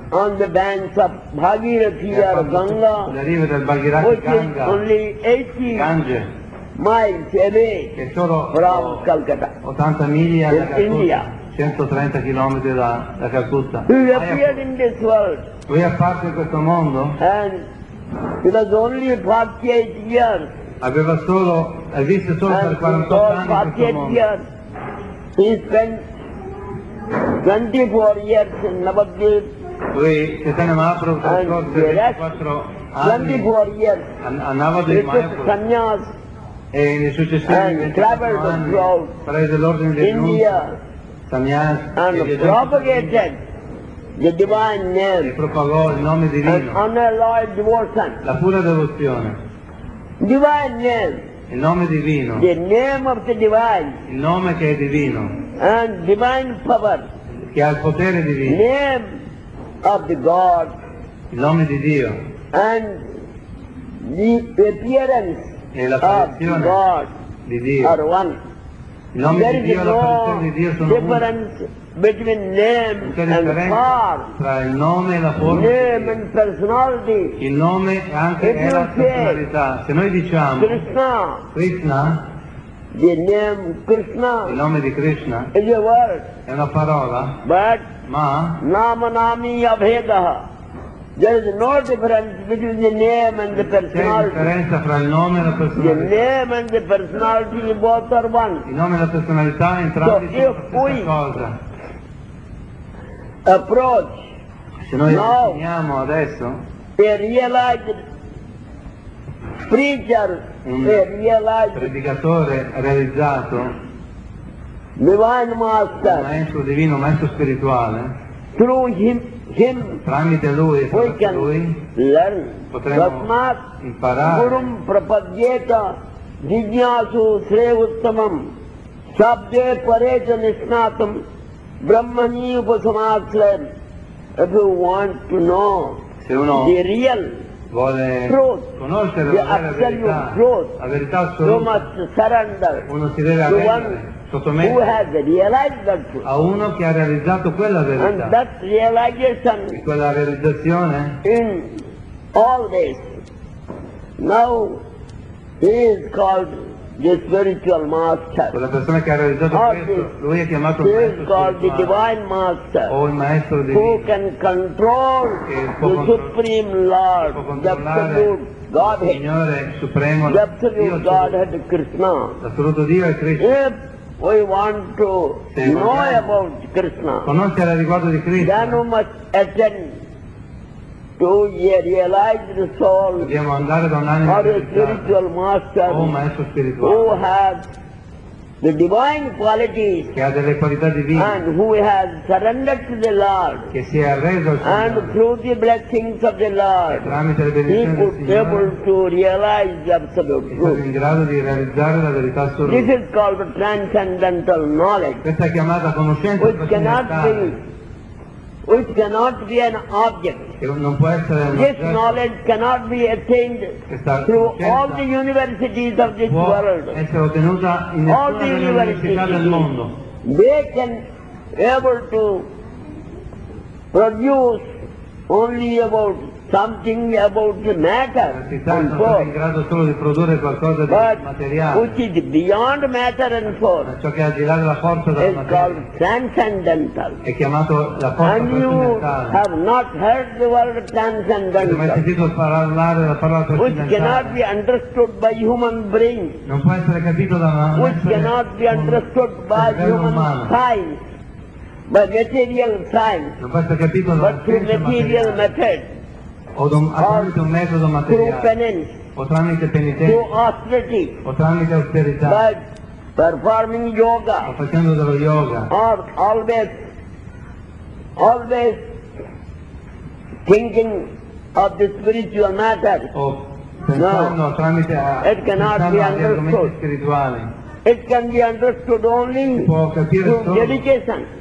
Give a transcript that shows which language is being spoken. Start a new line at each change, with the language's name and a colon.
English: on the banks of Bhagirathi or Ganga,
Italian: sulle rive del Bhagirathi Ganga,
English: only 80
Italian: Gange,
English: miles away,
Italian: che solo
English: from Calcutta,
Italian: 80 miglia
English: in India,
Italian: 130 km da Calcutta.
English: Who appeared in this world?
Italian: Lui è apparso in questo mondo?
English: And he was only 48 years.
Italian: Aveva solo, ha visto solo
English: and
Italian: per 48 anni in questo mondo.
English: Years. He spent 24 years in Navadvip.
Italian: Lui, Chaitanya Mahaprabhu, ha trascorso 24 anni
English: 24 years.
Italian: A Navadvip,
English: Sanyas,
Italian: e nei successivi 24 anni prese l'ordine di
English: India, Sanyas, and propagated the divine name,
Italian: e propagò il nome divino,
English: unalloyed devotion,
Italian: la pura devozione,
English: divine name,
Italian: il nome divino,
English: the name of the divine,
Italian: il nome che è divino,
English: and divine power,
Italian: che ha il potere divino,
English: name of the God,
Italian: il nome di Dio,
English: and the appearance,
Italian: e la apparizione
English: God
Italian: di Dio
English: are one.
Italian: Il nome
English: there
Italian: di Dio e la apparizione di Dio sono uno.
English: Between name and power,
Italian: tra il nome e la forma,
English: name and personality,
Italian: il nome e anche
English: if
Italian: la personalità. Se noi diciamo
English: Krishna, the name Krishna,
Italian: il nome di Krishna
English: is a word,
Italian: è una parola,
English: but
Italian: ma
Sanskrit: nama nami abhedaha,
English: there is no difference between the name and the personality.
Italian: C'è differenza fra il nome e la personalità.
English: The name and the personality both are one.
Italian: Il nome e la personalità entrambi sono la stessa cosa.
English: Approach.
Italian: Se noi avviniamo adesso,
English: a realized preacher,
Italian: un
English: a realized
Italian: predicatore realizzato,
English: divine master,
Italian: un maestro divino, maestro spirituale,
English: through him
Italian: tramite lui, lui
English: learn,
Italian: potremmo imparare,
Sanskrit: gurum prapadyeta jignasu sre uttamam sabde parecha nishnatam Brahmani upasamatlan,
English: if you want to know
Italian: se uno
English: the real
Italian: vuole
English: truth,
Italian: conoscere
English: the
Italian: la vera verità, la verità assoluta,
English: you must surrender,
Italian: uno si deve sottomettere,
English: who has realized that truth,
Italian: a uno che ha realizzato quella verità,
English: and that realization,
Italian: e quella realizzazione,
English: in all this, now he is called the spiritual master.
Italian: Quella persona che ha realizzato questo, lui è chiamato
English: he
Italian: maestro
English: called the divine master,
Italian: o il maestro divino,
English: who can control the supreme Lord, the absolute Godhead,
Italian: il Signore supremo,
English: the absolute Godhead Krishna.
Italian: L'assoluto Dio è Krishna.
English: If we want to
Italian: se
English: know about Krishna,
Italian: conoscere riguardo di Krishna,
English: then we must attend to a realized soul,
Italian: dobbiamo andare da un'anima
English: or a spiritual master,
Italian: o un maestro spirituale,
English: who has the divine qualities,
Italian: che ha delle qualità divine,
English: and who has surrendered to the Lord,
Italian: che si è arreso al Signore,
English: and through the blessings of the Lord,
Italian: tramite le benedizioni del Signore,
English: able to realize the absolute truth,
Italian: è stato in grado di realizzare la verità assoluta.
English: This is called transcendental knowledge,
Italian: questa è chiamata conoscenza
English: trascendentale, which cannot be an object.
Italian: Non può essere un oggetto.
English: This knowledge cannot be attained through all the universities of this world.
Italian: Può essere ottenuta in tutte le università del mondo.
English: They can able to produce only about something about the matter.
Italian: Sono in grado solo di produrre qualcosa di materiale.
English: Which is beyond matter and force.
Italian: Ciò che è al di là della forza della materia.
English: Is called transcendental.
Italian: È chiamato la forza trascendentale.
English: And you have not heard the word transcendental.
Italian: Non hai sentito parlare della parola trascendentale.
English: Which cannot be understood by human brain.
Italian: Non può essere capito da una mente.
English: Which cannot be understood by human science. By material science.
Italian: Non può essere capito da una
English: material method.
Italian: O tramite un metodo materiale, o tramite penitenza, o tramite austerità,
English: but performing yoga,
Italian: o facendo dello yoga,
English: or always thinking of the spiritual matter,
Italian: o pensando
English: no,
Italian: tramite
English: it cannot be understood
Italian: spirituali,
English: it can be understood only through dedication,